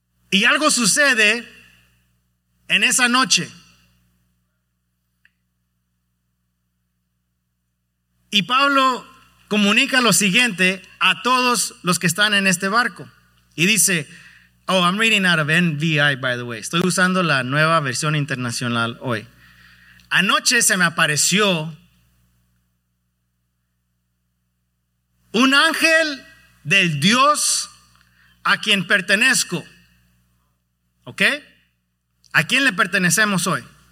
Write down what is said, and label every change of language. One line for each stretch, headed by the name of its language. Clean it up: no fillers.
Spanish: Y algo sucede en esa noche. Y Pablo comunica lo siguiente a todos los que están en este barco. Y dice,
English: oh, I'm reading out of NVI, by the way.
Spanish: Estoy usando la nueva versión internacional hoy. Anoche se me apareció un ángel del Dios a quien pertenezco. ¿Ok? ¿A quién le pertenecemos hoy?